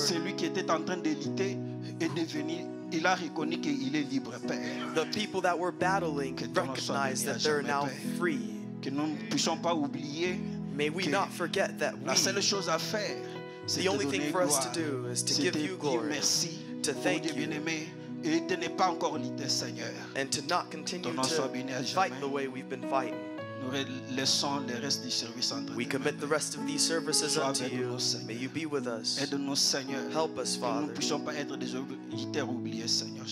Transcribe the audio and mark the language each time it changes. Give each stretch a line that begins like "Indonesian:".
French: celui qui était en train d'éliter est devenu. Il a reconnu qu'il est libre, Père.
English: The people that were battling recognize that they're now free.
French: Que nous ne puissions pas oublier.
English: May we not forget that we.
French: La seule chose à faire, c'est
English: the only thing for us to do is to give you glory.
French: Merci,
English: to thank
French: Dieu
English: you.
French: Bien-aimé, et de ne pas encore lutter, Seigneur.
English: And to not continue to fight the way we've been fighting.
French: Nous laissons le reste du service entre nous.
English: We commit the rest of these services unto you. May you be with us.
French: Aide-nous, Seigneur.
English: Help us, Father.
French: Que nous puissions pas être des auditeurs oubliés, Seigneur.